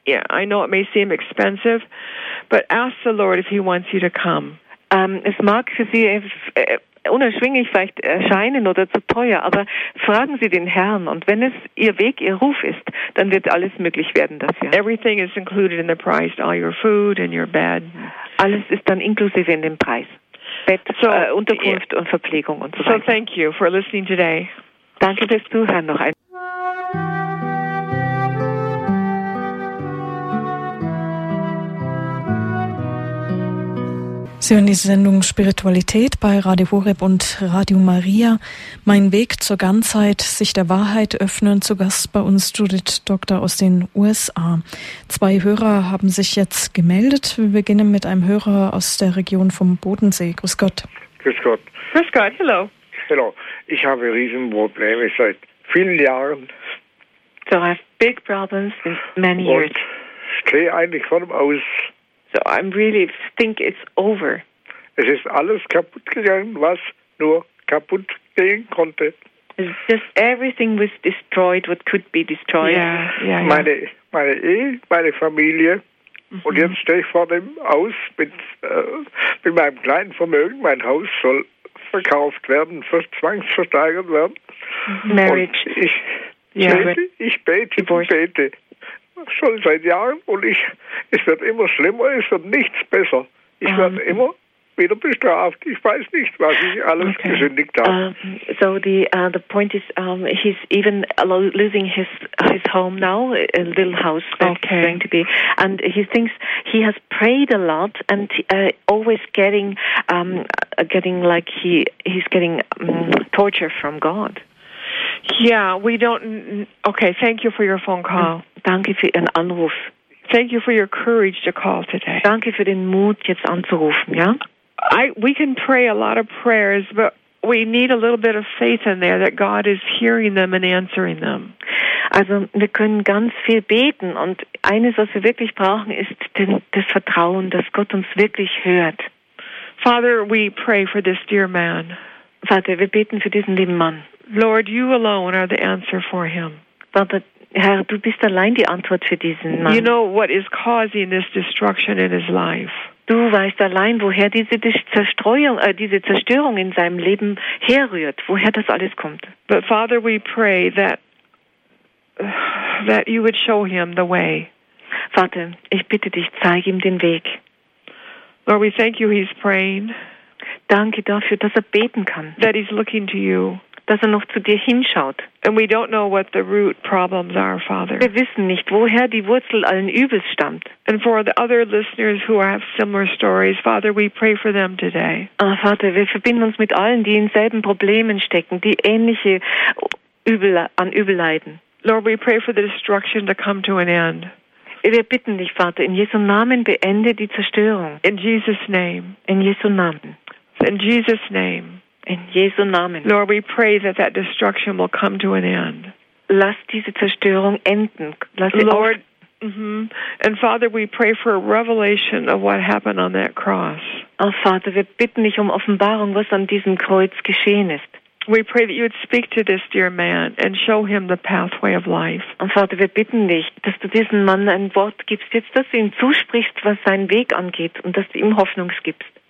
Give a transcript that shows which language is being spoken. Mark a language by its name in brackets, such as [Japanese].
[English] I know it may seem expensive, but ask the Lord if he wants you to come. [German] Es mag für Sie unerschwinglich vielleicht erscheinen oder zu teuer, aber fragen Sie den Herrn. Und wenn es Ihr Weg, Ihr Ruf ist, dann wird alles möglich werden das Jahr. [English] Everything is included in the price, all your food and your bed. [German] Alles ist dann inklusive in dem Preis. Bett, so, Unterkunft und Verpflegung und so weiter. [English] So thank you for listening today. [German] Danke fürs Zuhören noch einmal. Sie hören die Sendung Spiritualität bei Radio Horeb und Radio Maria. Mein Weg zur Ganzheit, sich der Wahrheit öffnen. Zu Gast bei uns Judith Doktor aus den USA. Zwei Hörer haben sich jetzt gemeldet. Wir beginnen mit einem Hörer aus der Region vom Bodensee. Grüß Gott. Grüß Gott. Grüß Gott, [English] hello. Hello. [German] Ich habe Riesenprobleme seit vielen Jahren. [English] So I have big problems since many years. [German] Und stehe eigentlich von aus. [English] So I'm really think it's over. [German] Es ist alles kaputt gegangen, was nur kaputt gehen konnte. [English] It's just everything was destroyed, what could be destroyed. Yeah. [German] Meine Ehe, meine Familie. Mm-hmm. Und jetzt stehe ich vor dem Aus mit meinem kleinen Vermögen. Mein Haus soll verkauft werden, zwangsversteigert werden. [English] Marriage. [German] Und ich bete. Schon seit Jahren und es wird immer schlimmer, es wird nichts besser. Ich werde immer wieder bestraft. Ich weiß nicht, was ich alles gesündigt habe. [English] So the point is, he's even losing his home now, a little house that he's going to be. And he thinks he has prayed a lot and always getting like he's getting torture from God. Yeah, we don't... Okay, thank you for your phone call. [German] Danke für Ihren Anruf. [English] Thank you for your courage to call today. [German] Danke für den Mut, jetzt anzurufen, ja? [English] We can pray a lot of prayers, but we need a little bit of faith in there that God is hearing them and answering them. [German] Also, wir können ganz viel beten. Und eines, was wir wirklich brauchen, ist das Vertrauen, dass Gott uns wirklich hört. [English] Father, we pray for this dear man. [German] Vater, wir beten für diesen lieben Mann. [English] Lord, you alone are the answer for him. [German] Vater, Herr, du bist allein die Antwort für diesen Mann. [English] You know what is causing this destruction in his life. [German] Du weißt allein, woher diese Zerstörung in seinem Leben herrührt, woher das alles kommt. [English] But Father, we pray that you would show him the way. [German] Vater, ich bitte dich, zeig ihm den Weg. [English] Lord, we thank you, he's praying. [German] Danke dafür, dass er beten kann. [English] That he's looking to you. [German] Dass er noch zu dir hinschaut. [English] And we don't know what the root problems are, Father. [German] Wir wissen nicht, woher die Wurzel allen Übels stammt. [English] And for the other listeners who have similar stories, Father, we pray for them today. [German] Ah, Vater, wir verbinden uns mit allen, die in selben Problemen stecken, die ähnliche Übel leiden. [English] Lord, we pray for the destruction to come to an end. [German] Wir bitten dich, Vater, in Jesu Namen beende die Zerstörung. [English] In Jesus' name. [German] In Jesu Namen. [English] In Jesus' name. [German] In Jesu Namen. [English] Lord, we pray that destruction will come to an end. [German] Lass diese Zerstörung enden. Lass sie [English] Lord, and Father, we pray for a revelation of what happened on that cross. [German] Oh, Vater, wir bitten dich um Offenbarung, was an diesem Kreuz geschehen ist. [English] We pray that you would speak to this dear man and show him the pathway of life. [German] Und Vater, wir bitten dich, dass du diesem Mann ein Wort gibst, jetzt dass du ihm zusprichst, was seinen Weg angeht und dass du ihm Hoffnung gibst.